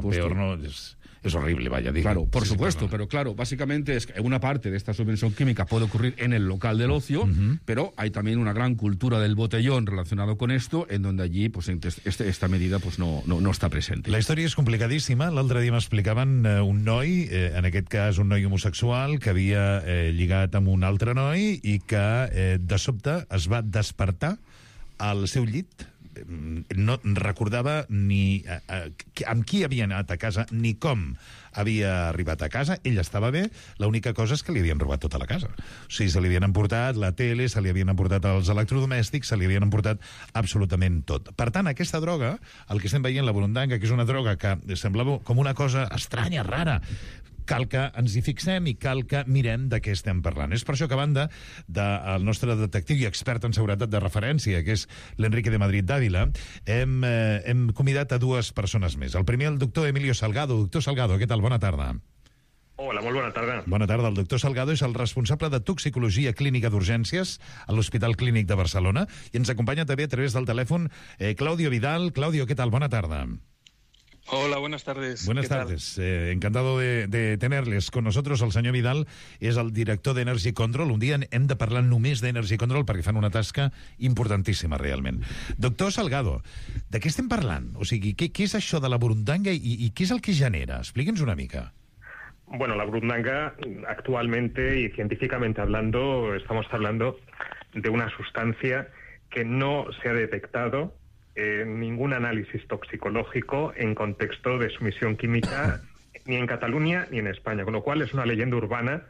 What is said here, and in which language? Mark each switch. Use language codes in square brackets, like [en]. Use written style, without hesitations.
[es] Peor no es... Es horrible, vaya, digo. Claro, por supuesto, pero claro, básicamente es que una parte de esta sumisión química puede ocurrir en el local del ocio, pero hay también una gran cultura del botellón relacionado con esto, en donde allí, pues, esta medida pues no está presente. La historia es complicadísima. [ca] L'altre dia m'explicaven un noi, en aquest cas un noi homosexual, que havia lligat amb un altre noi i que, de sobte, es va despertar al seu llit. No recordava ni amb qui havia anat a casa ni com havia arribat a casa. Ell estava bé, l'única cosa és que li havien robat tota la casa. O sigui, se li havien emportat la tele, se li havien emportat els electrodomèstics, se li havien emportat absolutament tot. Per tant, aquesta droga, el que estem veient, la burundanga, que és una droga que semblava com una cosa estranya, rara, cal que ens hi fixem i cal que mirem de què estem parlant. És per això que, a banda del nostre detectiu i expert en seguretat de referència, que és l'Enrique de Madrid Dávila, hem convidat a dues persones més. El primer, el doctor Emilio Salgado. Doctor Salgado, què tal? Bona tarda. Hola, molt bona tarda. Bona tarda. El doctor Salgado és el responsable de toxicologia clínica d'urgències a l'Hospital Clínic de Barcelona, i ens acompanya també a través del telèfon Claudio Vidal. Claudio, què tal? Bona tarda. [es] Hola, buenas tardes. Buenas tardes. Encantado de tenerles con nosotros. [ca] El senyor Vidal és el director d'Energy Control. Un dia hem de parlar només d'Energy Control perquè fan una tasca importantíssima, realment. Doctor Salgado, de què estem parlant? O sigui, què és això de la burundanga i què és el que genera? Explica'ns una mica. [es] Bueno, la burundanga, actualmente y científicamente hablando, estamos hablando de una sustancia que no se ha detectado ningún análisis toxicológico en contexto de sumisión química ni en Cataluña ni en España, con lo cual es una leyenda urbana.